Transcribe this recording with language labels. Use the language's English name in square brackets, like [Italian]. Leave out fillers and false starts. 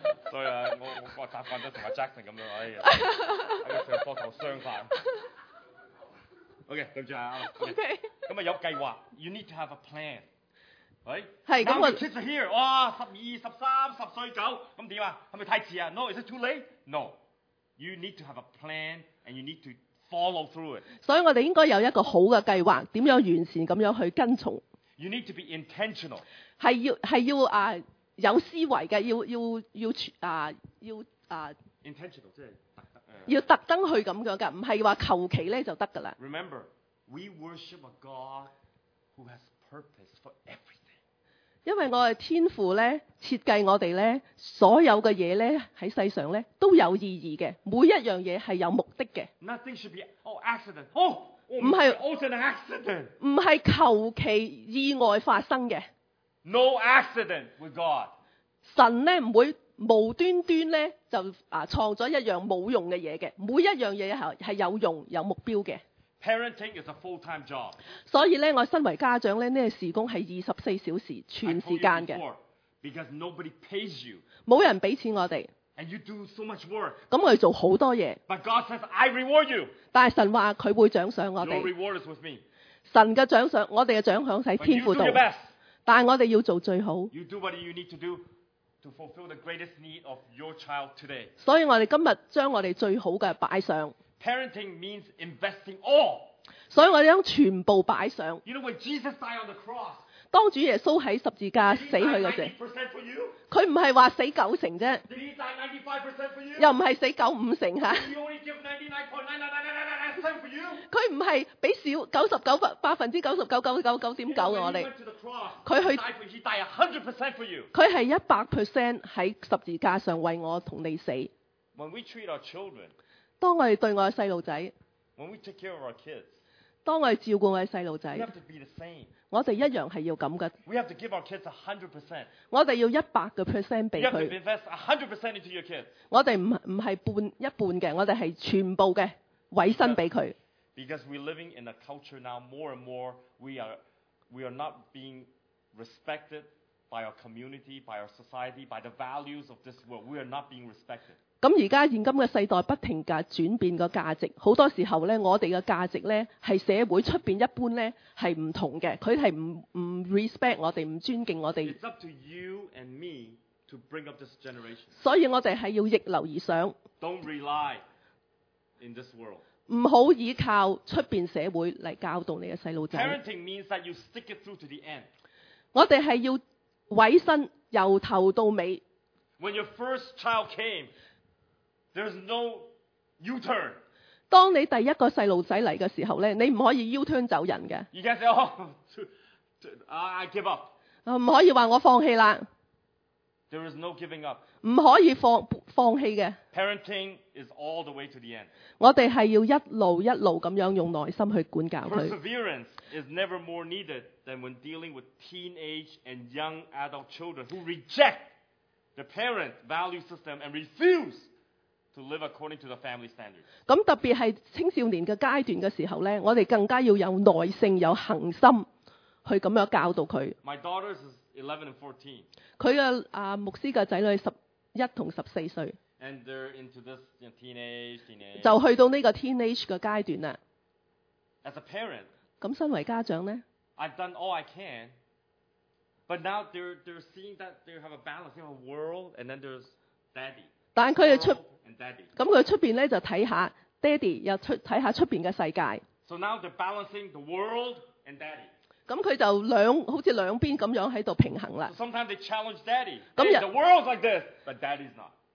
[Cantonese] 所以啊，我習慣咗同阿 Jackson 咁樣，哎呀，喺個桌球相反。 OK， 對唔住啊 [English] ，OK。 [Cantonese] 咁啊，有計劃 [English] ，you need to have a plan， right？ [Cantonese] 係咁啊 [English] ，kids are here， 哇，12、13、10歲9， [Cantonese] 咁點啊？係咪太遲啊 [English] ？No， is it too late？ No， you need to have a plan and you need to follow through it。 [Cantonese] 所以我哋應該有一個好嘅計劃，點樣完善咁樣去跟從 [English] ？You need to be intentional。 [Cantonese] 係要有思維嘅，要 intentional 即係要特登去咁樣嘅，唔係話求其咧就得㗎啦。 [English] Remember， we worship a God who has purpose for everything。 [Cantonese] 因為我哋天父咧設計我哋咧，所有嘅嘢咧喺世上咧都有意義嘅，每一樣嘢係有目的嘅。 [English] Nothing should be accident. Oh, it's an accident. [Cantonese] 唔係求其意外發生嘅。 [English] No accident with God. [Cantonese] 神咧唔會無端端咧就創咗一樣冇用嘅嘢嘅，每一樣嘢係有用有目標嘅。 [English] Parenting is a full-time job. [Cantonese] 所以咧，我身為家長咧，呢個時工係24小時全時間嘅。 [English] Because nobody pays you. [Cantonese] 冇人俾錢我哋。 [English] And you do so much work. [Cantonese] 咁我哋做好多嘢。 [English] But God says I reward you. [Cantonese] 但係神話佢會獎賞我哋。 [English] No reward is with me. [Cantonese] 神嘅獎賞，我哋嘅獎賞喺天父度。 [English] But you do your best. [Cantonese] 但係我哋要做最好。 [English] You do what you need to do to fulfill the greatest need of your child today. [Cantonese] 所以我哋今日將我哋最好嘅擺上。 [English] Parenting means investing all. [Cantonese] 所以我哋将全部摆上。 [English] You know when Jesus died on the cross. [Cantonese] 当主耶稣喺十字架死去嗰阵，佢唔系话死九成啫。 [English] Did he die 95% for you? [Cantonese] 又唔系死九五成吓。 [English] Did he only give 99.99999% for you? [Cantonese] 佢唔系俾少99.99999999%我哋。佢去。 [English] He died 100% for you. [Cantonese] 佢系100%喺十字架上为我同你死。 [English] When we treat our children. [Cantonese] 当我哋对我嘅细路仔， [English] When we take care of our kids, [Cantonese] 当我哋照顾我嘅细路仔， [English] we have to be the same. [Cantonese] 我哋一样系要咁嘅。 [English] We have to give our kids 100%. [Cantonese] 我哋要100% 俾佢。 [English] You have to invest 100% into your kids. [Cantonese] 我哋唔系半一半嘅，我哋系全部嘅委身俾佢。 [English] Because we're living in a culture now, more and more we are not being respected by our community, by our society, by the values of this world. We are not being respected. [Cantonese] 咁而家現今嘅世代不停嘅轉變個價值，好多時候咧，我哋嘅價值咧係社會出邊一般咧係唔同嘅，佢係唔 respect 我哋，唔尊敬我哋。 [English] It's up to you and me to bring up this generation. [Cantonese] 所以我哋係要逆流而上。 [English] Don't rely in this world. [Cantonese] 唔好依靠出邊社會嚟教導你嘅細路仔。 [English] Parenting means that you stick it through to the end. [Cantonese] 我哋係要委身由頭到尾。 [English] When your first child came. There's no U-turn. [Cantonese] 当你第一个细路仔嚟嘅时候咧，你唔可以 U-turn 走人嘅。 [English] You can't say, "Oh, I give up." [Cantonese] 唔可以话我放弃啦。 [English] There is no giving up. [Cantonese] 唔可以放弃嘅。 [English] Parenting is all the way to the end. [Cantonese] 我哋系要一路一路咁样用耐心去管教佢。 [English] Perseverance is never more needed than when dealing with teenage and young adult children who reject the parent value system and refuse. To live according to the family standards. [Cantonese] 咁特別係青少年嘅階段嘅時候咧，我哋更加要有耐性、有恆心去咁樣教導佢。 [English] My daughters is 11 and 14. [Cantonese] 佢嘅牧師嘅仔女11和14歲。 [English] And they're into this teenage. [Cantonese] 就去到呢個 teenage 嘅階段啦。 [English] As a parent. [Cantonese] 咁身為家長呢 [English] ？I've done all I can, but now they're seeing that they have a balance, they have a world, and then there's daddy. [Cantonese] 但佢哋出，咁佢出邊咧就睇下爹哋，又出睇下出邊嘅世界。 [English] So now they're balancing the world and daddy. [Cantonese] 咁佢就兩好似兩邊咁樣喺度平衡啦。 [English] Sometimes they challenge daddy. Hey, the world's like this, but daddy's not.